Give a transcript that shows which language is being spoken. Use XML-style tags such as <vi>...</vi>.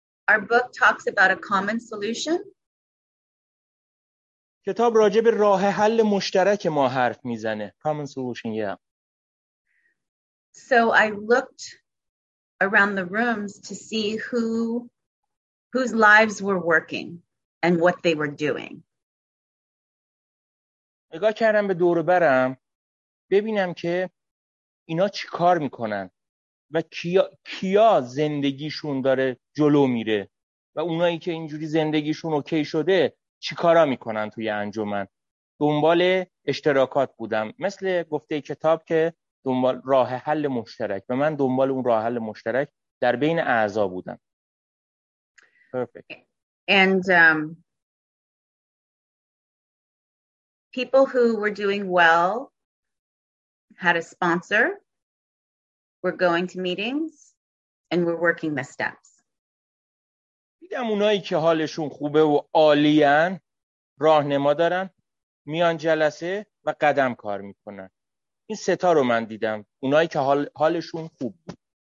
<en>Our book talks about a common solution.</en> <fa>کتاب راجع به راه حل مشترک ما حرف میزنه.</fa> <en>Common solution, yeah. So I looked around the rooms to see whose lives were working and what they were doing.</en> <fa>نگاه کردم به دور و برم ببینم که اینا چی کار میکنن و کیا زندگیشون داره جلو میره و اونایی که اینجوری زندگیشون اوکی شده چی کارا میکنن توی انجمن. دنبال اشتراکات بودم، مثل گفته کتاب که دنبال راه حل مشترک، و من دنبال اون راه حل مشترک در بین اعضا بودم.</fa> <en>Perfect. And people who were doing well had a sponsor, were going to meetings, and were working the steps.</en> <fa>دیدم اونایی که حالشون خوبه و عالین، راهنما دارن، میان جلسه و قدم کار میکنن. این سه تا رو من دیدم، اونایی که حالشون خوب بود.</fa>